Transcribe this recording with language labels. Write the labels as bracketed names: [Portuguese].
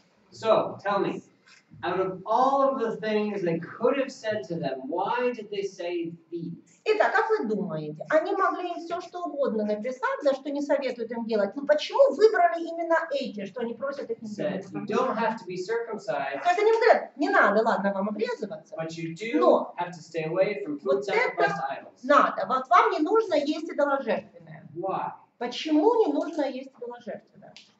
[English] So, tell me, out of all of the things they could have said to them, why did they say these? [Russian] Итак, как вы думаете, они могли им все что угодно написать, за что не советуют им делать, но почему выбрали именно эти, что они просят их не делать? [English] You don't have to be circumcised. [Russian] То есть они говорят, не надо, ладно, вам обрезываться. [English] But you do have to stay away from food sacrificed to idols. [Russian] Надо, вот вам не нужно есть идоложертвы. [English] Why? [Russian] Почему не нужно есть идоложертвенное?